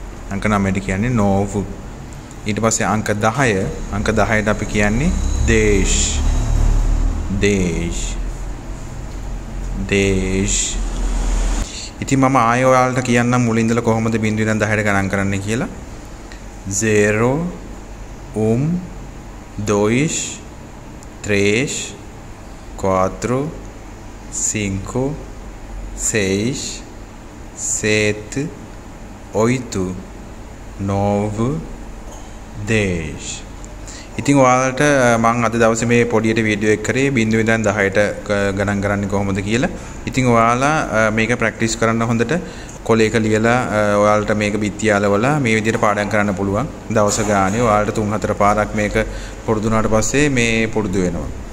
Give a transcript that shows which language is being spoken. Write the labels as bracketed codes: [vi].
[si] අංක 9ට කියන්නේ නෝවු. ඊට පස්සේ අංක 10. අංක 10ට අපි කියන්නේ දේශ්. දේශ්. දේශ්. ඉතින් මම ආය ඔයාලට කියන්නම් මුලින්දල කොහොමද බිංදුවෙන් 10ට ගණන් කරන්න කියලා. [pt] 0 dois três quatro cinco seis sete oito nove dez. [si] ඉතින් ඔයාලට මම අද දවසේ මේ පොඩියට වීඩියෝ එක කරේ බිංදුව ඉඳන් 10ට ගණන් කරන්නේ කොහොමද කියලා. ඉතින් ඔයාලා මේක ප්‍රැක්ටිස් කරන්න හොඳට කොලේක ලියලා ඔයාලට මේක බිත්තියාලවල මේ විදිහට පාඩම් කරන්න පුළුවන්. දවස ගානේ ඔයාලට 3-4 පාරක් මේක පුරුදු වුණාට පස්සේ මේ පුරුදු වෙනවා.